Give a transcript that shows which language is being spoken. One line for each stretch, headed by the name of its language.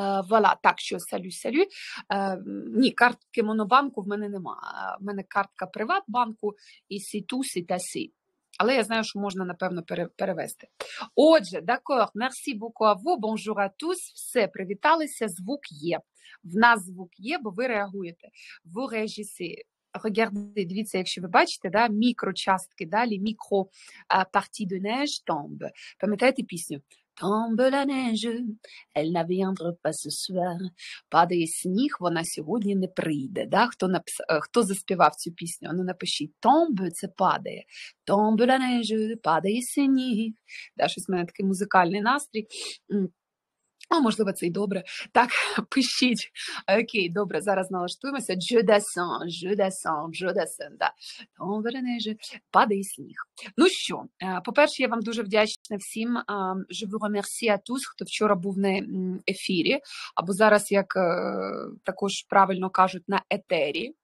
Ukrainian: Voilà, так що, салю-салю. Ні, картки монобанку в мене нема. В мене картка приватбанку, і сіту, сіта, сі. Але я знаю, що можна, напевно, перевести. Отже,
French: d'accord, merci beaucoup à vous, bonjour à tous.
Ukrainian: Все, привіталися, звук є. В нас звук є, бо ви реагуєте. Ви режисі. Дивіться, якщо ви бачите, да, мікрочастки далі, мікро
French: «Parti de neige tombe».
Ukrainian: Пам'ятаєте пісню?
French: «Tombe la neige, elle ne viendra pas ce soir».
Ukrainian: «Падає сніг, вона сьогодні не прийде». Да? Хто заспівав цю пісню? Ну, напишіть. «Tombe» – це падає.
French: «Tombe la neige,
Ukrainian: падає сніг». Да, щось в мене такий музикальний настрій. А, можливо, це й добре. Так, пишіть. Окей, добре, зараз налаштуємося.
French: Je descends, je descends, je descends.
Ukrainian: Падає сніг. Ну що, по-перше, я вам дуже вдячна всім.
French: Je vous remercie à tous,
Ukrainian: хто вчора був на ефірі, або зараз, як також правильно кажуть, на етері.